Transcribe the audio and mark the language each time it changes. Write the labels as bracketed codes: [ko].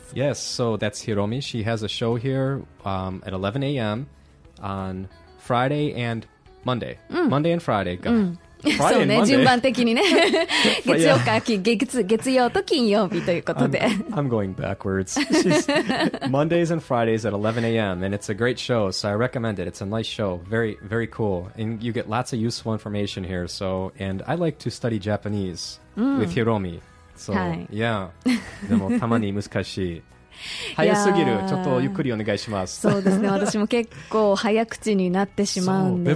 [en] Yes, so that's Hiromi. She has a show here at 11 a.m. on Friday and Monday.、 [ja] うん、 [en] Monday and Friday. [ja] うん。Friday そうね、順番的にね。月曜か、月曜と金曜日ということで。 [en] I'm going backwards. Mondays and Fridays at 11 a.m. And it's a great show, so I recommend it. It's a nice show. Very, very cool. And you get lots of useful information here. So, and I like to study Japanese、うん、with Hiromi. So,、 [ja] はい、 yeah. でもたまに難しい。早すぎる。ちょっとゆっくりお願いします。そうですね。私も結構早口になってしまうんでね。